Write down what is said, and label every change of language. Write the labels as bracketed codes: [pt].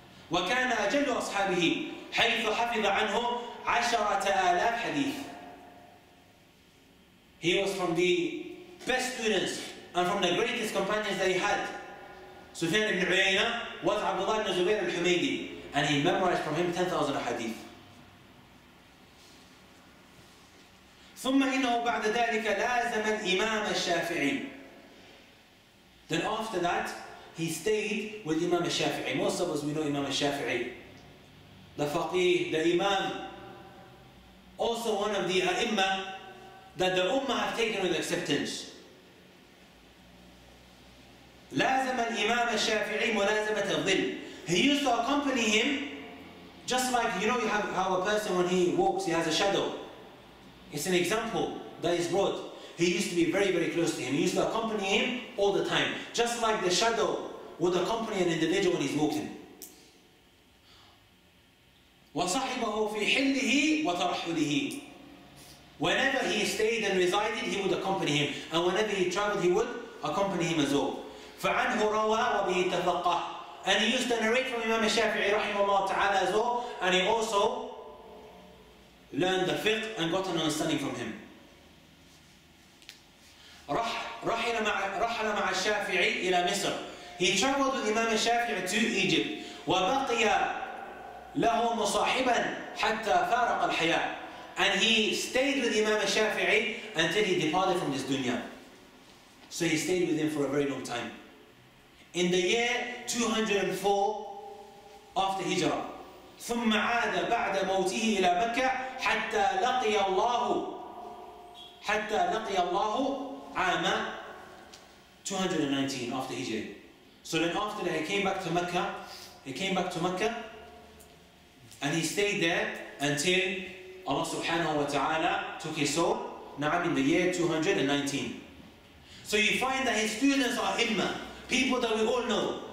[ar] وكان أجل أصحابه حيث حفظ عنه 10,000 حديث. [en] He was from the best students and from the greatest companions that he had. Sufyan ibn Uyayna was Abdullah ibn Zubayr al-Humaydi, and he memorized from him 10,000 حديث. [ar] ثم إنه بعد ذلك لازم الإمام الشافعي. [en] Then after that, he stayed with Imam al-Shafi'i. Most of us, we know Imam al-Shafi'i. The faqih, the imam. Also one of the a'imma that the ummah have taken with acceptance. [ar] لازم الإمام الشافعي ملازمة الظل. [en] He used to accompany him, just like, you know, you have how a person when he walks, he has a shadow. It's an example that is brought. He used to be very, very close to him. He used to accompany him all the time. Just like the shadow would accompany an individual when he's walking. [ar] وصحبه في حله وترحله. [en] Whenever he stayed and resided, he would accompany him. And whenever he traveled, he would accompany him as well. [ar] فعنه روى وبه تفقه. [en] And he used to narrate from Imam al-Shafi'i [ar] رحمه الله تعالى [en] as well. And he also learned the fiqh and got an understanding from him. [ar] رحل مع الشافعي إلى مصر. [en] He traveled with Imam al-Shafi'i to Egypt. [ar] وبقي له مصاحبا حتى فارق الحياة. [en] And he stayed with Imam al-Shafi'i until he departed from this dunya. So he stayed with him for a very long time. In the year 204 after Hijrah. [ar] ثم عاد بعد موته إلى مكة حتى لقي الله عام 219 [en] after Hijrah. So then after that, he came back to Mecca and he stayed there until Allah subhanahu wa ta'ala took his soul, na'am, in the year 219. So you find that his students are imma, people that we all know.